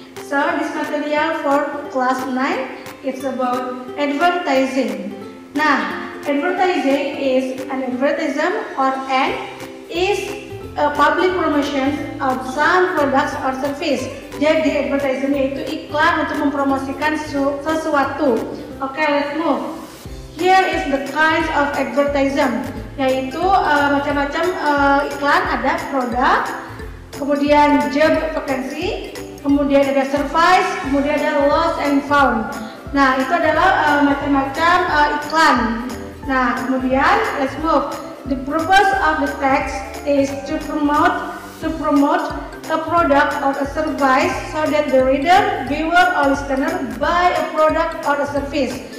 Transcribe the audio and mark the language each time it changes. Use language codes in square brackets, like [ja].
[en] So this material for class 9, it's about advertising. Now, advertising is an advertisement or ad is a public promotion of some products or service. [id] Jadi advertising itu iklan untuk mempromosikan sesuatu. [en] Okay, let's move. Here is the kinds of advertising, [id] yaitu macam-macam iklan, ada produk, kemudian [en] job vacancy, [id] kemudian ada [en] service, kemudian ada lost and found. [id] Nah, itu adalah macam-macam iklan. Nah, kemudian [en] let's move. The purpose of the text is to promote a product or a service so that the reader, viewer or listener buy a product or a service.